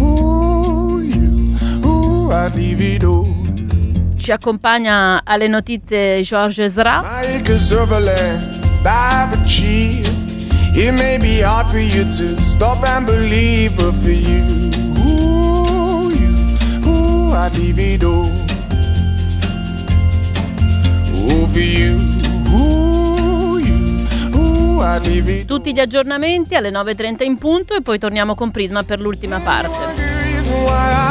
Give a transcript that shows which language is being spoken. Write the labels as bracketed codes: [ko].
[en] Ooh, you, ooh, I'd leave it all. [it] Ci accompagna alle notizie Georges Ezra. [en] My acres of a land I've achieved. It may be hard for you to stop and believe, but for you, ooh, you, ooh, I'd leave it all. [it] Tutti gli aggiornamenti alle 9.30 in punto, e poi torniamo con Prisma per l'ultima parte.